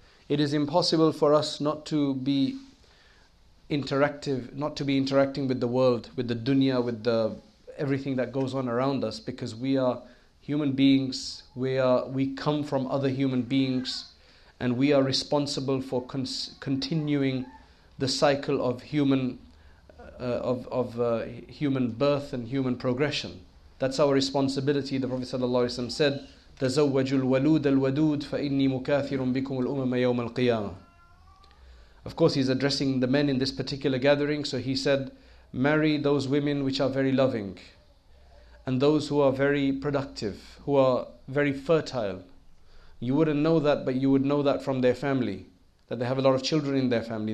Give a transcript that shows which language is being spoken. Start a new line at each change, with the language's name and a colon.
English: It is impossible for us not to be interactive, not to be interacting with the world, with the dunya, with the everything that goes on around us, because we are human beings, we come from other human beings, and we are responsible for continuing the cycle of human birth and human progression. That's our responsibility. The Prophet ﷺ said,
Arabic: تَزَوَّجُ الْوَلُودَ الْوَدُودَ فَإِنِّي مُكَاثِرٌ بِكُمُ الْأُمَمَ يَوْمَ الْقِيَامَةِ.
English: Of course, he's addressing the men in this particular gathering. So he said, marry those women which are very loving, and those who are very productive, who are very fertile. You wouldn't know that, but you would know that from their family, that they have a lot of children in their family.